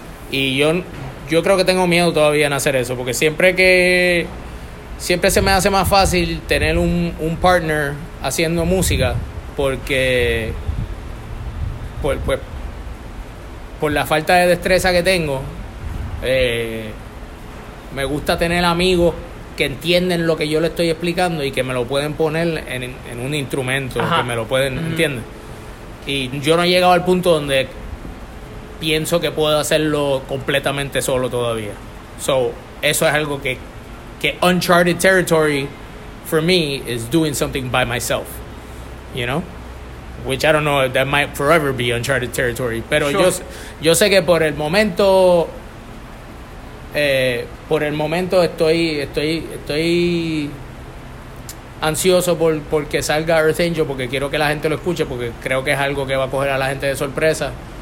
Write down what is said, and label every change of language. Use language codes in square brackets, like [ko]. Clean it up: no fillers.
[es] Y yo creo que tengo miedo todavía en hacer eso, porque siempre se me hace más fácil tener un partner haciendo música, porque por la falta de destreza que tengo, me gusta tener amigos que entienden lo que yo le estoy explicando y que me lo pueden poner en un instrumento, Ajá. que me lo pueden, mm-hmm. ¿entiendes? Y yo no he llegado al punto donde pienso que puedo hacerlo completamente solo todavía. [en] So, [es] eso es algo que [en] uncharted territory for me is doing something by myself, you know? Which I don't know, that might forever be uncharted territory. [es] Pero sure. yo sé que por el momento... por el momento estoy ansioso porque salga Earth Angel, porque quiero que la gente lo escuche, porque creo que es algo que va a coger a la gente de sorpresa.